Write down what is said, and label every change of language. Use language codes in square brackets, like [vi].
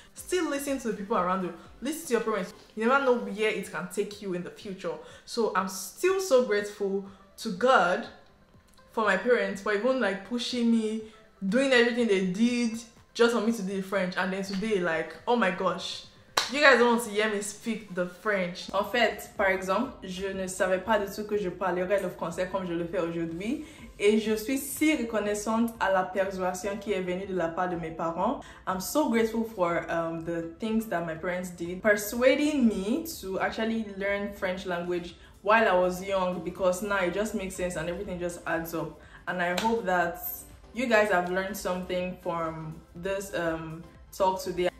[en] Still listen to the people around you. Listen to your parents. You never know where it can take you in the future. So I'm still so grateful to God for my parents for even like pushing me, doing everything they did just for me to do the French. And then today, like, oh my gosh, you guys don't want to hear me speak the French. [fr] En fait, par exemple, je ne savais pas du tout que je parlerais le français comme je le fais aujourd'hui. Et je suis si reconnaissante à la persuasion qui est venue de la part de mes parents. [en] I'm so grateful for the things that my parents did, persuading me to actually learn French language while I was young, because now it just makes sense and everything just adds up. And I hope that you guys have learned something from this talk today.